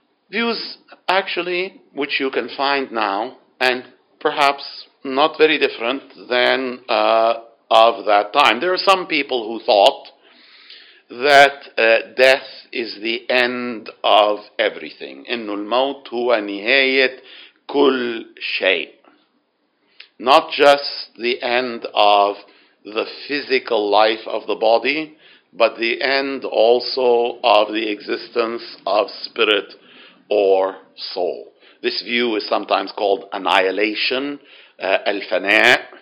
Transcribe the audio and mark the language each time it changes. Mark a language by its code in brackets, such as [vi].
[en] Views actually which you can find now and perhaps not very different than of that time. There are some people who thought that death is the end of everything. [ar] إنه الموت هو نهاية كل شيء. [en] Not just the end of the physical life of the body, but the end also of the existence of spirit or soul. This view is sometimes called annihilation, الفناء.